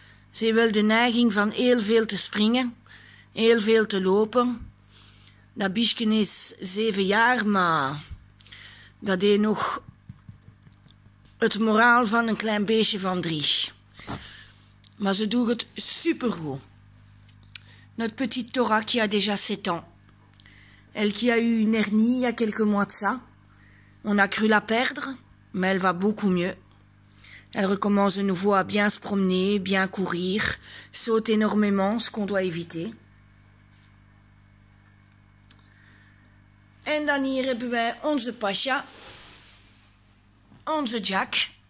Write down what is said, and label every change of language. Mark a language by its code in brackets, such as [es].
[nl] Ze heeft wel de neiging van heel veel te springen, heel veel te lopen. Dat biesje is 7 jaar, maar dat deed nog het moraal van een klein beestje van 3. Maar ze doet het supergoed. [fr] Notre petite Tora qui a déjà 7 ans. Elle qui a eu une hernie il y a quelques mois de ça. On a cru la perdre, mais elle va beaucoup mieux. Elle recommence de nouveau à bien se promener, bien courir, saute énormément, ce qu'on doit éviter. [nl] En dan hier hebben wij onze Pasha, onze Jack.